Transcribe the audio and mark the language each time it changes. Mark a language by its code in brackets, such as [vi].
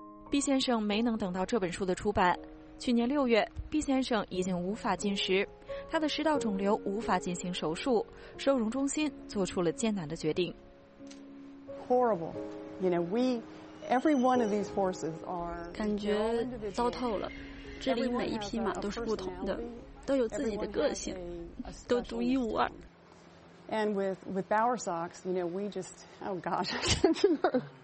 [zh] 毕先生没能等到这本书的出版。去年6月，毕先生已经无法进食，他的食道肿瘤无法进行手术，收容中心做出了艰难的决定。 [en] Horrible, you know, we, every one of these horses are. [zh] 感觉糟透了，这里每一匹马都是不同的，都有自己的个性，都独一无二。 [en] And with Bower Sox, you know, we just, oh gosh,